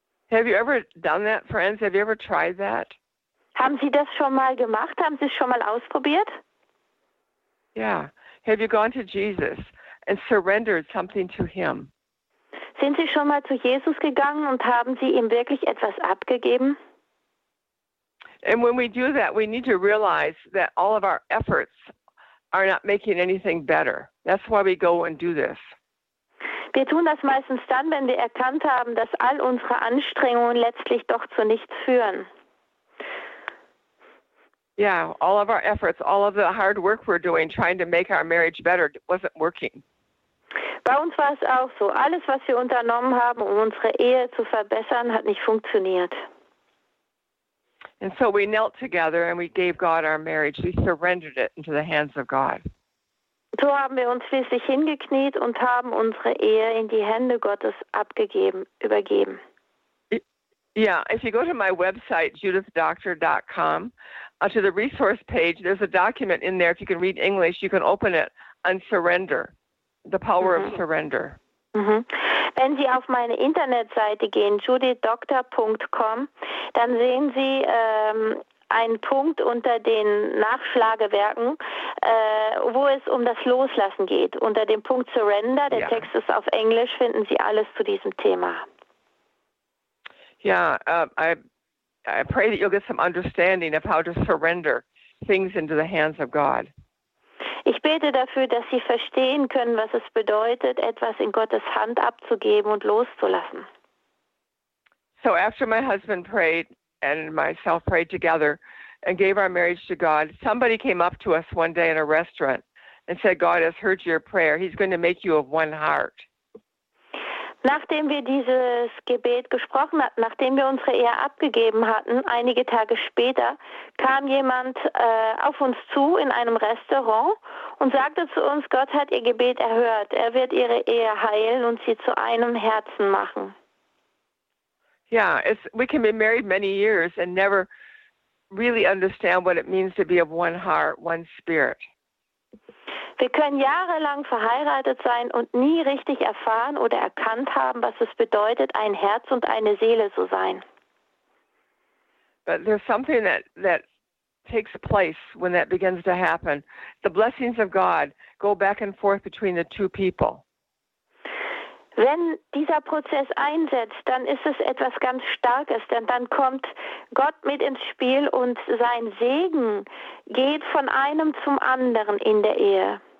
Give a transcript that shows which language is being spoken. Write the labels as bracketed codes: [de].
[en] Have you ever done that, friends? Have you ever tried that? [de] Haben Sie das schon mal gemacht? Haben Sie es schon mal ausprobiert? [en] Yeah. Have you gone to Jesus and surrendered something to him? [de] Sind Sie schon mal zu Jesus gegangen und haben Sie ihm wirklich etwas abgegeben? [en] And when we do that, we need to realize that all of our efforts are not making anything better. That's why we go and do this. [de] Wir tun das meistens dann, wenn wir erkannt haben, dass all unsere Anstrengungen letztlich doch zu nichts führen. [en] Yeah, all of our efforts, all of the hard work we're doing, trying to make our marriage better, wasn't working. [de] Bei uns war es auch so. Alles, was wir unternommen haben, um unsere Ehe zu verbessern, hat nicht funktioniert. [en] And so we knelt together and we gave God our marriage. We surrendered it into the hands of God. [de] So haben wir uns schließlich hingekniet und haben unsere Ehe in die Hände Gottes abgegeben, übergeben. [en] Yeah, if you go to my website, judithdoctor.com, to the resource page, there's a document in there. If you can read English, you can open it on surrender, the power of surrender. Mm-hmm. [de] Wenn Sie auf meine Internetseite gehen, judithdoktor.com, dann sehen Sie einen Punkt unter den Nachschlagewerken, wo es um das Loslassen geht. Unter dem Punkt Surrender, der Text ist auf Englisch, finden Sie alles zu diesem Thema. [en] Ja, I pray that you'll get some understanding of how to surrender things into the hands of God. [de] Ich bete dafür, dass Sie verstehen können, was es bedeutet, etwas in Gottes Hand abzugeben und loszulassen. [en] So after my husband prayed and myself prayed together and gave our marriage to God, somebody came up to us one day in a restaurant and said, God has heard your prayer. He's going to make you of one heart. [de] Nachdem wir dieses Gebet gesprochen hatten, nachdem wir unsere Ehe abgegeben hatten, einige Tage später, kam jemand auf uns zu in einem Restaurant und sagte zu uns, Gott hat ihr Gebet erhört. Er wird ihre Ehe heilen und sie zu einem Herzen machen. [en] Yeah, it's, we can be married many years and never really understand what it means to be of one heart, one spirit. [de] Wir können jahrelang verheiratet sein und nie richtig erfahren oder erkannt haben, was es bedeutet, ein Herz und eine Seele zu sein. [en] But there's something that takes place when that begins to happen. The blessings of God go back and forth between the two people. [de] Wenn dieser Prozess einsetzt, dann ist es etwas ganz Starkes, denn dann kommt Gott mit ins Spiel und sein Segen geht von einem zum anderen in der Ehe.